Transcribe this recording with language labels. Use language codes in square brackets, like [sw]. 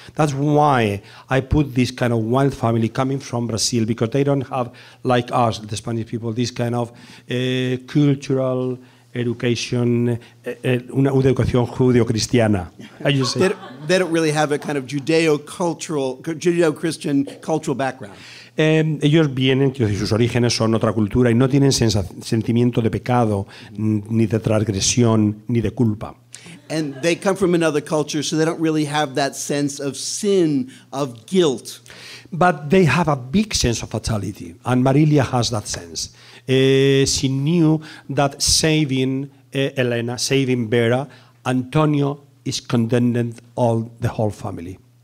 [en] That's why I put this kind of wild family coming from Brazil, because they don't have, like us, the Spanish people, this kind of cultural [es] education, una educación judeo-cristiana. [en] They don't really have a kind of Judeo-cultural, Judeo-Christian cultural background. [es] Ellos vienen, sus orígenes son otra cultura y no tienen sentimiento de pecado, ni de transgresión, ni de culpa. [en] And they come from another culture, so they don't really have that sense of sin, of guilt. But they have a big sense of fatality, and Marilia has that sense. She knew that saving Elena, saving Vera, Antonio is condemning all the whole family.